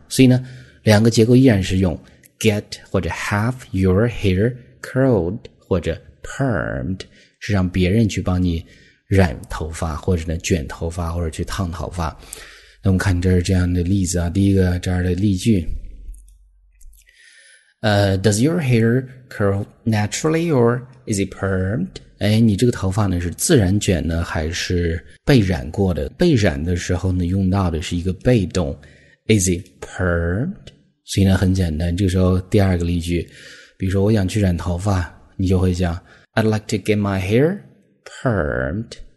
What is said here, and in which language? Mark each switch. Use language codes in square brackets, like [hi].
[zh] 所以呢，两个结构依然是用 get 或者 [en] have your hair curled [zh] 或者 permed， 是让别人去帮你染头发，或者呢卷头发，或者去烫头发。那我们看这儿这样的例子啊，第一个这儿的例句。 [en] Does your hair curl naturally or is it permed? [zh] 哎，你这个头发呢是自然卷呢还是被染过的？被染的时候呢用到的是一个被动 ， [en] is it permed? [zh] 所以呢很简单。这个时候第二个例句，比如说我想去染头发，你就会讲 [en] I'd like to get my hair permed.